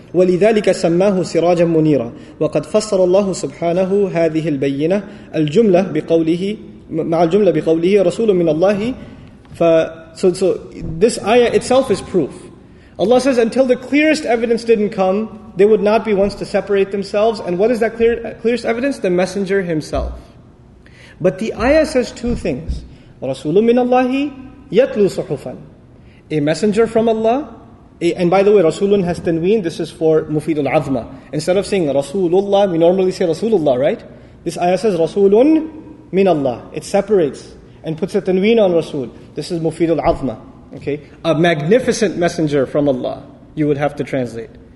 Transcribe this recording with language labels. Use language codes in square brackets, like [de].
[ar] ولذلك سماه سراجا منيرا وقد فسر الله سبحانه هذه البينة الجملة بقوله مع الجملة بقوله رسول من الله [en] so this ayah itself is proof. Allah says until the clearest evidence didn't come, they would not be ones to separate themselves. And what is that clearest evidence? The messenger himself. But the ayah says two things. [ar] رسول من الله يتلو صحفا, [en] a messenger from Allah. And by the way, Rasulun has tanween, this is for Mufidul Azma. Instead of saying Rasulullah, we normally say Rasulullah, right? This ayah says Rasulun min Allah. It separates and puts a tanween on Rasul. This is Mufidul Azma. Okay? A magnificent messenger from Allah, you would have to translate.